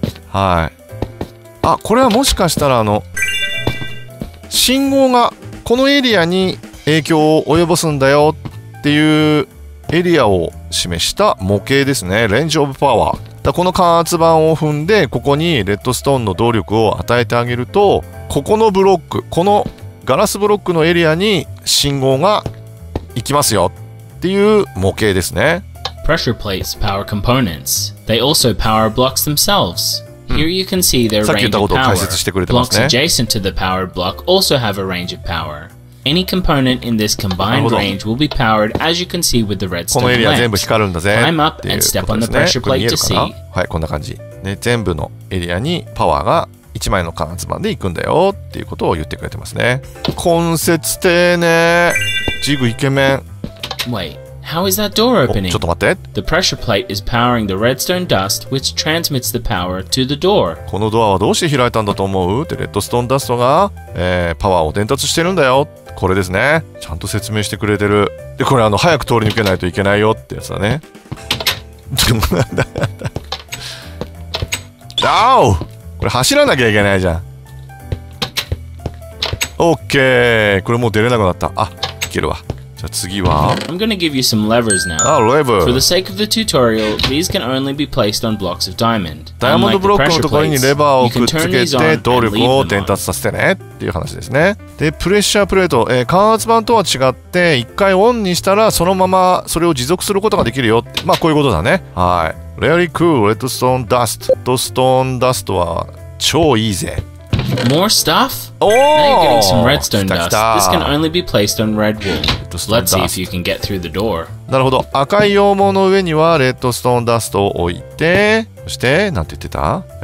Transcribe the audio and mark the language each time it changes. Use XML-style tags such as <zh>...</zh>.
<ja>はい、あ、これはもしかしたらあの信号がこのエリアに影響を及ぼすんだよっていうエリアを示した模型ですね。レンジオブパワーだ。この貫圧板を踏んでここにレッドストーンの動力を与えてあげると、ここのブロック、このガラスブロックのエリアに信号が行きますよっていう模型ですね。</ja> <en>Pressure plates power components. They also power blocks themselves. Here you can see their range of power. Blocks adjacent to the power block also have a range of power. Any component in this combined range will be powered as you can see with the redstone lamp.</en> <ja>このエリア全部光るんだぜ。</ja> <en>Climb up and step on the pressure plate to see.</en> <ja>はい、こんな感じ。ね、全部のエリアにパワーが1枚の貫通板で行くんだよっていうことを言ってくれてますね。懇切丁寧。ジグイケメン。</ja> <en>Wait, how is that door opening?</en> <ja>ちょっと待って。</ja> <en>The pressure plate is powering the redstone dust, which transmits the power to the door.</en> <ja>このドアはどうして開いたんだと思う？で、レッドストーンダストが、パワーを伝達してるんだよ。これですね。ちゃんと説明してくれてる。で、これあの早く通り抜けないといけないよってやつだね。でもなんだ。ダウ！これ走らなきゃいけないじゃん。オッケー。これもう出れなくなった。あ、いけるわ。じゃあ次は。</ja> <en>I'm gonna give you some levers now.</en> <ja>あ、レバー。</ja> <en>For the sake of the tutorial, these can only be placed on blocks of diamond.</en> <ja>ダイヤモンドブロックのところにレバーをくっつけて動力を伝達させてねっていう話ですね。で、プレッシャープレート、貫圧板とは違って一回オンにしたらそのままそれを持続することができるよって、まあこういうことだね。はい。</ja> <en>Really cool.</en> <ja>レッドストーンダスト。レッドストーンダストは超いいぜ。</ja> <en>More stuff? Oh! Now you're getting some redstone dust. This can only be placed on red wool. Let's see if you can get through the door.</en> <ja>なるほど。赤い羊毛の上にはレッドストーンダストを置いて、そして、なんて言ってた？</ja>